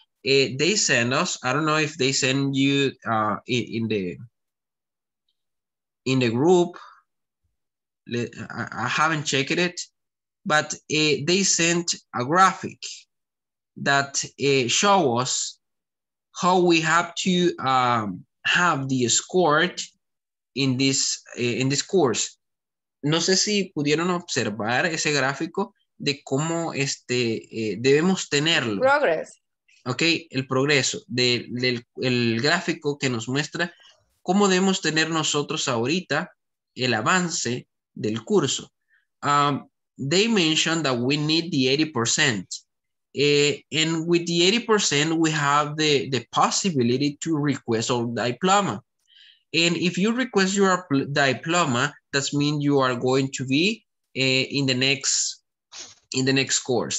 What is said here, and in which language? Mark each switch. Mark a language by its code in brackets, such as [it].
[en] They send us, I don't know if they send you in the group, I haven't checked it, but they sent a graphic that show us how we have to have the score in this course. [es] No sé si pudieron observar ese gráfico de cómo debemos tenerlo. [en] Progress. [es] Okay, el progreso del gráfico que nos muestra cómo debemos tener nosotros ahorita el avance del curso. [en] They mentioned that we need the 80%. And with the 80%, we have the possibility to request our diploma. And if you request your diploma, that means you are going to be in the next course.